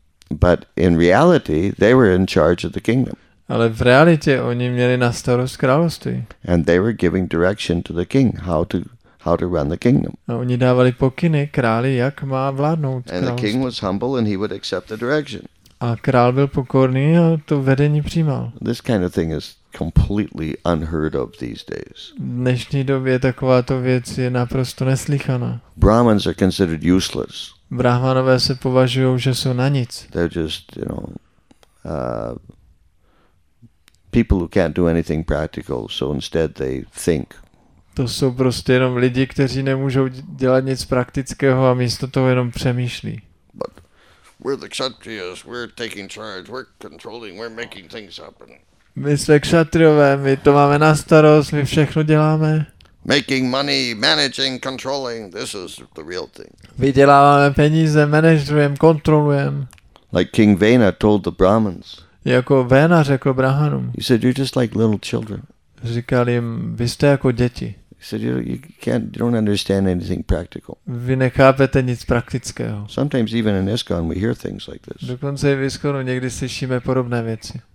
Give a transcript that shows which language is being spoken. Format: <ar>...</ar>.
<en>But in reality they were in charge of the kingdom.</en> <cs>Ale v realitě oni měli na starost království.</cs> <en>And they were giving direction to the king how to run the kingdom.</en> <cs>A oni dávali pokyny králi, jak má vládnout království.</cs> <en>And the king was humble and he would accept the direction.</en> <cs>A král byl pokorný a to vedení přijímal.</cs> <en>This kind of thing is completely unheard of these days.</en> <cs>V dnešní době takováto věc je naprosto neslychaná.</cs> <en>Brahmins are considered useless.</en> <cs>Brahmanové se považují, že jsou na nic.</cs> <en>They're just, you know, people who can't do anything practical, so instead they think.</en> <cs>To jsou prostě jenom lidi, kteří nemůžou dělat nic praktického a místo toho jenom přemýšlí.</cs> <en>But we're the kshatriyas, we're taking charge, we're controlling, we're making things happen.</en> <cs>My jsme kshatriové, my to máme na starost, my všechno děláme.</cs> <en>Making money, managing, controlling, this is the real thing.</en> <cs>Vyděláváme peníze, manažujeme, kontrolujeme.</cs> <en>Like King Vena told the Brahmins.</en> <cs>Jako Vena řekl Brahmanům.</cs> <en>He said, you're just like little children.</en> <cs>Říkal jim, vy jste jako děti.</cs> <en>Said, you don't understand anything practical.</en> <cs>Vy nechápete nic praktického.</cs> <en>Sometimes even in ISKCON we hear things like this.</en> <cs>Dokonce i v ISKCONu někdy slyšíme podobné věci.</cs>